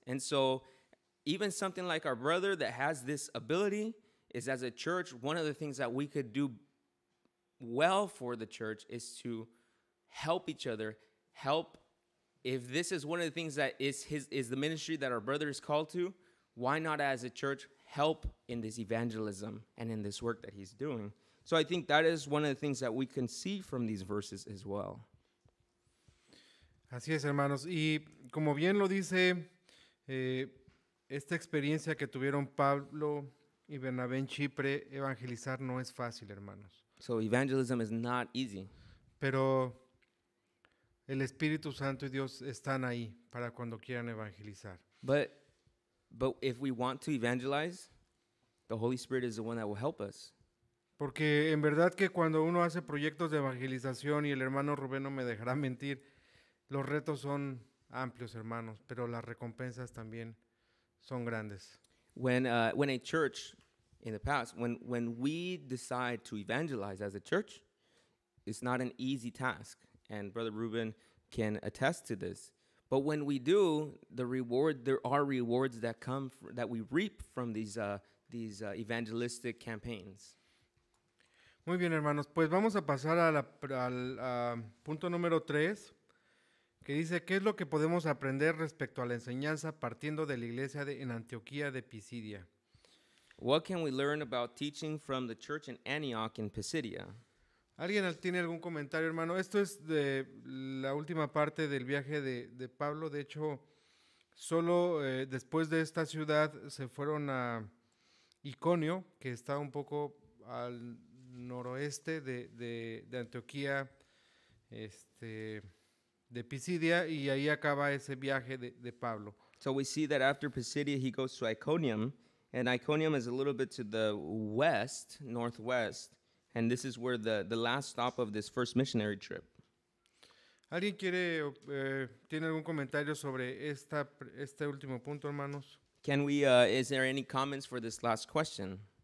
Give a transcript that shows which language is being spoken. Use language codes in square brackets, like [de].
[en] And so even something like our brother that has this ability is, as a church, one of the things that we could do well for the church is to help each other, help. If this is one of the things that is the ministry that our brother is called to, why not as a church help in this evangelism and in this work that he's doing? So I think that is one of the things that we can see from these verses as well. [es] Así es, hermanos. Y como bien lo dice, esta experiencia que tuvieron Pablo y Bernabé en Chipre, evangelizar no es fácil, hermanos. [en] So evangelism is not easy. [es] Pero el Espíritu Santo y Dios están ahí para cuando quieran evangelizar. [en] But if we want to evangelize, the Holy Spirit is the one that will help us. [es] Porque en verdad que cuando uno hace proyectos de evangelización, y el hermano Rubén no me dejará mentir, los retos son amplios, hermanos, pero las recompensas también son grandes. [en] When a church in the past, when we decide to evangelize as a church, it's not an easy task, and Brother Ruben can attest to this. But when we do, there are rewards that come that we reap from these evangelistic campaigns. [es] Muy bien, hermanos. Pues vamos a pasar al punto número 3, que dice, ¿qué es lo que podemos aprender respecto a la enseñanza partiendo de la iglesia en Antioquía de Pisidia? [en] What can we learn about teaching from the church in Antioch in Pisidia? [es] ¿Alguien tiene algún comentario, hermano? Esto es de la última parte del viaje de Pablo. De hecho, solo después de esta ciudad se fueron a Iconio, que está un poco al noroeste de Antioquía, de Pisidia, y ahí acaba ese viaje de Pablo. [en] So we see that after Pisidia he goes to Iconium, and Iconium is a little bit to the west, northwest. And this is where the last stop of this first missionary trip. [es] ¿Alguien quiere tiene algún comentario sobre este último punto, hermanos? [en] Can we is there any comments for this last question?